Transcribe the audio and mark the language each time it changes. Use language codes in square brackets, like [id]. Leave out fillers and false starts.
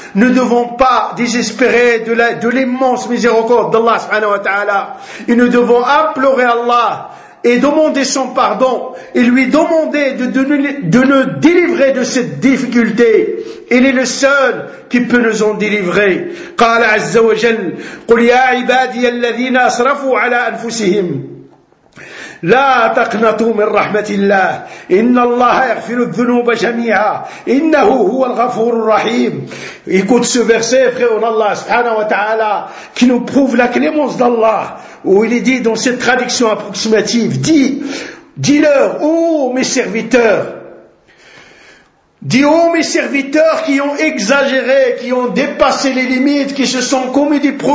[fr] Ne devons pas désespérer de l'immense miséricorde d'Allah subhanahu wa ta'ala. Et nous devons implorer Allah et demander son pardon et lui demander de nous délivrer de cette difficulté. Il est le seul qui peut nous en délivrer. [ar] قال عز وجل قل يا عبادي الذين أسرفوا على أنفسهم لا تقنطوا من رحمة الله إن الله يغفر الذنوب جميعا إنه هو الغفور الرحيم. [fr] Écoute ce verset, frère en Allah subhanahu wa ta'ala, qui nous prouve la clémence d'Allah, où il est dit dans cette traduction approximative, dis-leur, ô mes serviteurs qui ont exagéré, qui ont dépassé les limites, qui se sont commis des